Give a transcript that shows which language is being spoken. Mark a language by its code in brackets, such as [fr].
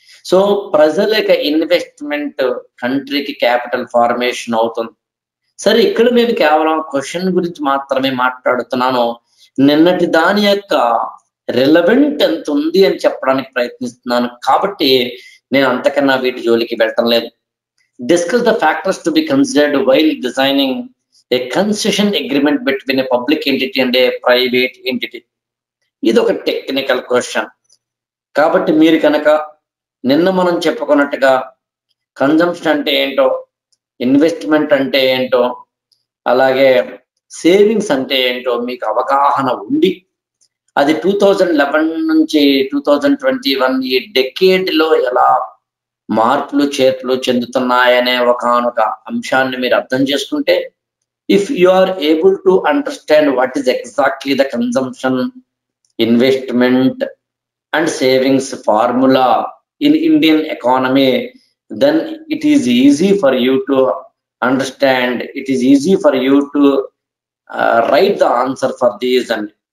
[te] So ప్రజల యొక్క investment కంట్రీకి క్యాపిటల్ ఫార్మేషన్ అవుతుంది. సరే, ఇక్కడ నేను కేవలం క్వశ్చన్ గురించి మాత్రమే మాట్లాడుతున్నాను, నిన్నటి దాని యొక్క రిలెవెంట్ ఎంత ఉంది అని చెప్పడానికి ప్రయత్నిస్తున్నాను, కాబట్టి నేను అంతకన్నా వీటి జోలికి వెళ్ళటం లేదు. [en] Discuss the factors to be considered while designing a concession agreement between a public entity and a private entity. [te] ఇది ఒక టెక్నికల్ క్వశ్చన్. కాబట్టి మీరు కనుక నిన్న మనం చెప్పుకున్నట్టుగా కన్జంప్షన్ అంటే ఏంటో, ఇన్వెస్ట్మెంట్ అంటే ఏంటో, అలాగే సేవింగ్స్ అంటే ఏంటో మీకు అవగాహన ఉండి, అది 2011 నుంచి 2021 ఈ డెకేడ్ లో ఎలా మార్పులు చేర్పులు చెందుతున్నాయనే ఒకనొక అంశాన్ని మీరు అర్థం చేసుకుంటే, [en] If you are able to understand what is exactly the consumption investment and savings formula in Indian economy, then it is easy for you to understand, it is easy for you to write the answer for these అండి.